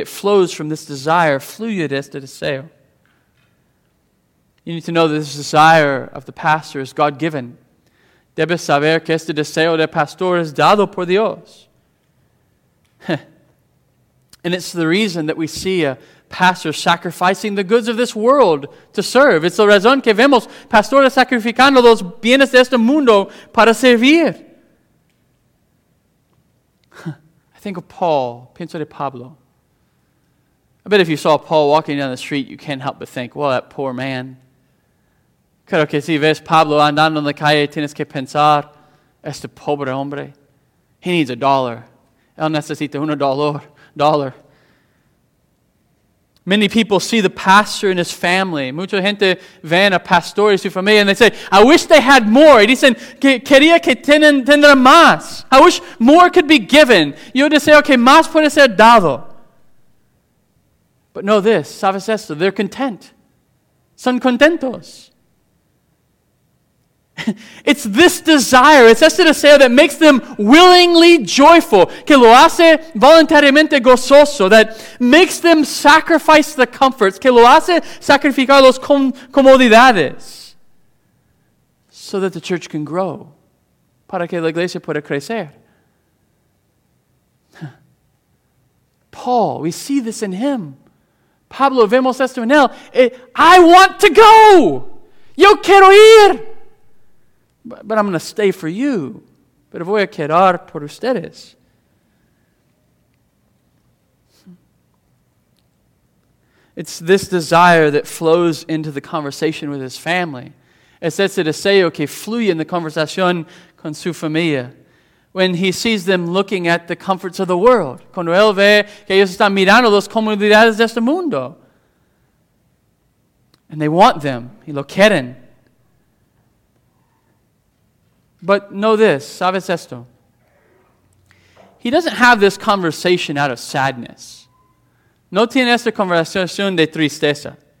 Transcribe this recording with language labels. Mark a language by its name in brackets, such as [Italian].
[English] It flows from this desire, fluid as the deseo. You need to know that this desire of the pastor is God-given. [Spanish] Debes saber que este deseo del pastor es dado por Dios. [English] And it's the reason that we see a pastor sacrificing the goods of this world to serve. It's the [Spanish] razón que vemos pastores sacrificando los bienes de este mundo para servir. [English] I think of Paul. [Spanish] Pienso de Pablo. [English] I bet if you saw Paul walking down the street, you can't help but think, well, that poor man. [Spanish] Creo que si ves Pablo andando en la calle, tienes que pensar, este pobre hombre, [English] he needs a dollar. [Spanish] Él necesita un dollar. [English] Many people see the pastor and his family. [Spanish] Mucha gente ve a pastor y su familia, [English] and they say, I wish they had more. [Spanish] Y dicen, quería que tener más. [English] I wish more could be given. [Spanish] Yo deseo que más puede ser dado. [English] But know this, [Spanish] sabes esto, [English] they're content. [Spanish] Son contentos. [English] It's this desire, it's [Spanish] este deseo [English] that makes them willingly joyful, [Spanish] que lo hace voluntariamente gozoso, [English] that makes them sacrifice the comforts, [Spanish] que lo hace sacrificar los comodidades, [English] so that the church can grow, [Spanish] para que la iglesia pueda crecer. [English] Paul, we see this in him. [Spanish] Pablo, vemos esto en él. [English] I want to go! [Spanish] Yo quiero ir! [English] But I'm going to stay for you. [Spanish] Pero voy a quedar por ustedes. [English] It's this desire that flows into the conversation with his family. [Spanish] Es ese deseo que fluye en la conversación con su familia. [English] When he sees them looking at the comforts of the world. [Spanish] Cuando él ve que ellos están mirando las comodidades de este mundo. [English] And they want them. [Spanish] Y lo quieren. [English] But know this, [Spanish] sabes esto. [English] He doesn't have this conversation out of sadness. [Spanish] No tiene esta conversación de tristeza.